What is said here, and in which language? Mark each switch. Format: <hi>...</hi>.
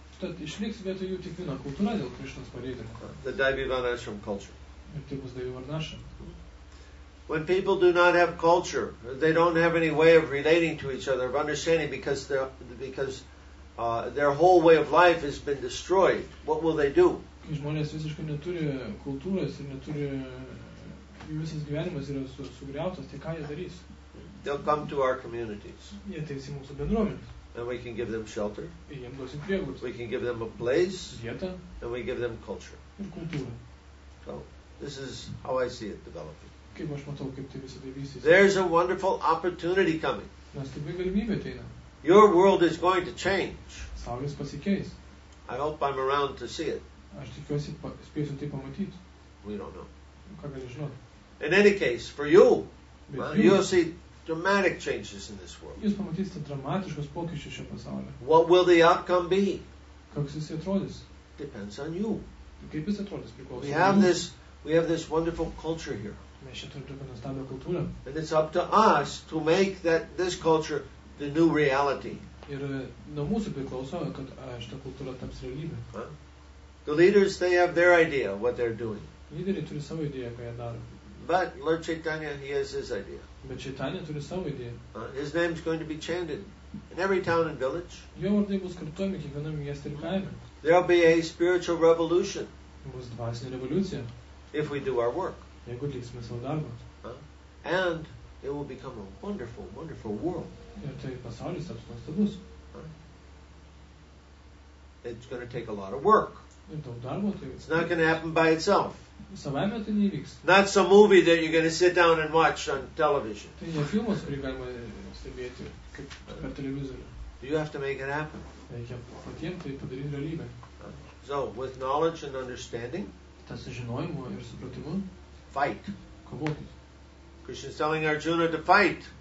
<lt>Tad išliks vietoj jų tik viena kultūra dėl Krishnos pareidimo.</lt> <en>The Daivi Varnashram culture.</en> <lt>Ir tai bus Daivi Varnashram.</lt> <en>When people do not have culture, they don't have any way of relating to each other, of understanding, because their whole way of life has been destroyed. What will they do?</en> <lt>Kai žmonės visiškai neturi kultūros ir neturi, jų visas gyvenimas yra sugriautas, tai ką jie darys?</lt> <en>They'll come to our communities.</en> <lt>Jie ateis į mūsų bendruomenę.</lt> <en>And we can give them shelter.</en> <lt>Ir jiems duosim prieglobstį.</lt> <en>We can give them a place.</en> <lt>Vietą.</lt> <en>And we give them culture.</en> <lt>Ir kultūrą.</lt> <en>So, this is how I see it developing.</en> <lt>Kaip aš matau, kaip tai visada vystysis.</lt> <en>There's a wonderful opportunity coming.</en> <lt>Nes tikrai galimybė ateina.</lt> <en>Your world is going to change.</en> <lt>Saulis pasikeis.</lt> <en>I hope I'm around to see it.</en> <lt>Aš tikiuosi, spėsiu tai pamatyti.</lt> <en>We don't know.</en> <lt>Ką gali žinoti?</lt> <en>In any case, for you, well, you'll see dramatic changes in this world.</en> <lt>Jūs pamatysite dramatiškus pokyčius šio pasaulio.</lt> <en>What will the outcome be?</en> <lt>Koks jis atrodys?</lt> <en>Depends on you.</en> <lt>Kaip jis atrodys, priklauso.</lt> <en>We have this wonderful culture here.</en> <lt>Mes čia turime nuostabią kultūrą.</lt> <en>And it's up to us to make that this culture the new reality.</en> <lt>Ir nuo mūsų priklauso, kad šita kultūra taps realybe.</lt> <en>The leaders, they have their idea what they're doing.</en> <lt>Lyderiai turi savo idėją, ką jie daro.</lt> <en>But Lord Chaitanya, he has his idea.</en> <lt>Bet Chaitanya turi savo idėją.</lt> <en>His name is going to be chanted in every town and village.</en> <lt>Jo vardai bus kartojami kiekvienam mieste ir kaime.</lt> <en>There will be a spiritual revolution.</en> <lt>Bus dvasinė revoliucija.</lt> <en>If we do our work.</en> <lt>Jeigu atliksime savo darbą.</lt> <en>And it will become a wonderful, wonderful world.</en> <lt>Ir tai pasaulis taps nuostabus.</lt> <en>It's going to take a lot of work.</en> <lt>Ir daug darbo tai.</lt> <en>It's not going to happen by itself.</en> <lt>Savaime tai nevyks.</lt> <en>Not some movie that you're going to sit down and watch on television.</en> <lt>Tai ne filmas, kurį galima stebėti per televizorių.</lt> <en>You have to make it happen.</en> <lt>Reikia patiems tai padaryti realybę.</lt> <en>So, with knowledge and understanding.</en> <lt>Tą sužinojimą ir supratimą.</lt> <en>Fight.</en> <lt>Kovokit.</lt> <en>Krishna's telling Arjuna to fight.</en>